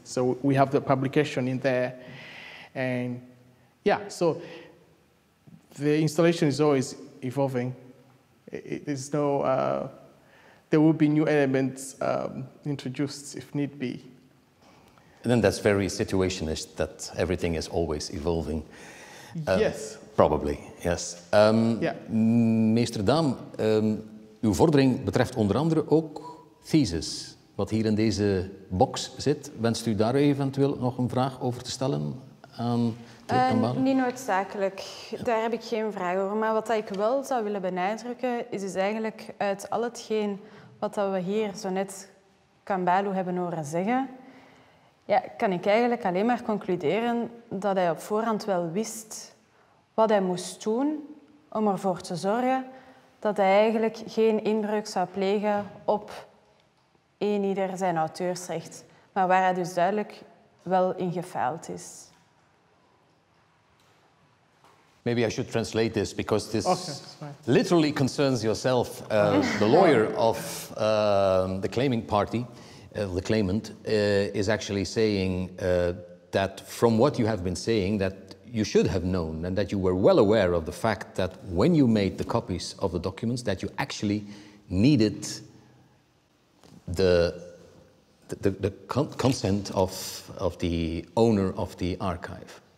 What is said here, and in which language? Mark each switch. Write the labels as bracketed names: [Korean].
[English] So we have the publication in there, and yeah, so the installation is always evolving. There's no, there will be new elements introduced if need be. And then that's very situationist, that everything is always evolving. Yes. Probably, yes. [Dutch] Meester Daam, uw vordering betreft onder andere ook thesis. Wat hier in deze box zit, wenst u daar eventueel nog een vraag over te stellen aan de Kambale? Niet noodzakelijk. Ja. Daar heb ik geen vraag over. Maar wat ik wel zou willen benadrukken, is dus eigenlijk uit al hetgeen wat we hier zo net Kambale hebben horen zeggen, ja, kan ik eigenlijk alleen maar concluderen dat hij op voorhand wel wist wat hij moest doen om ervoor te zorgen dat hij eigenlijk geen inbreuk zou plegen op een ieder zijn auteursrecht, maar waar hij dus duidelijk wel in gefaald is. [English] Maybe I should translate this, because this literally concerns yourself, the lawyer of the claiming party, the claimant, is actually saying that from what you have been saying, that you should have known and that you were well aware of the fact that when you made the copies of the documents, that you actually needed the consent of the owner of the archive.